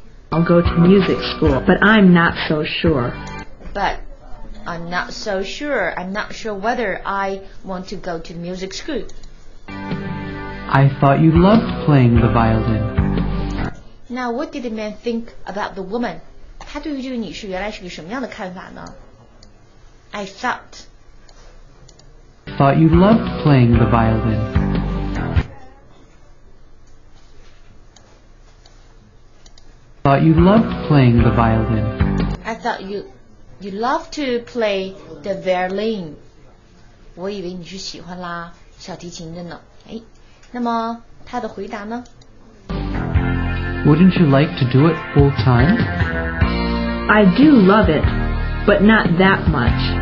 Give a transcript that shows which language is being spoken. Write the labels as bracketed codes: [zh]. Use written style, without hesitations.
[en] I'll go to music school, but I'm not so sure. But I'm not so sure. I'm not sure whether I want to go to music school. I thought you loved playing the violin. Now, what did the man think about the woman? [zh] 他对于这个女士原来是个什么样的看法呢？ [en] I thought. Thought you loved playing the violin. Thought you loved playing the violin. I thought you love to play the violin. [zh] 我以为你是喜欢拉小提琴的呢。哎，那么他的回答呢？ [en] Wouldn't you like to do it full time? I do love it, but not that much.